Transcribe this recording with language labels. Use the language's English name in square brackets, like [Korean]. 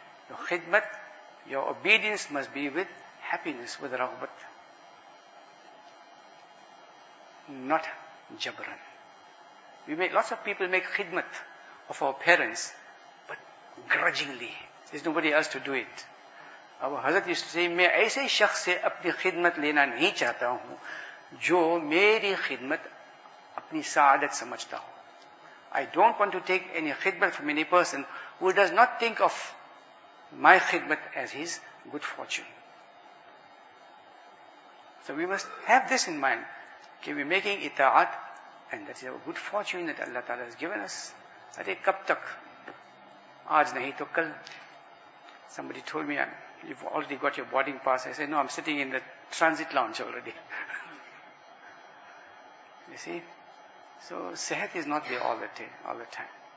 [English] Your khidmat, your obedience must be with happiness, with raghbat. Not jabran. Lots of people make khidmat of our parents, but grudgingly. There's nobody else to do it. [Urdu] اب حضرت سے میں ایسے شخص سے اپنی خدمت لینا نہیں چاہتا ہوں جو میری خدمت اپنی سعادت سمجھتا ہو. [English] I don't want to take any خدمت from any person who does not think of my خدمت as his good fortune. So we must have this in mind کہ we making اطاعت and that is our good fortune that اللہ تعالیٰ has given us. [Urdu] ارے کب تک؟ آج نہیں تو کل. [English] Somebody told me, you've already got your boarding pass. I said, no, I'm sitting in the transit lounge already. You see? So, sehat is not there all the time.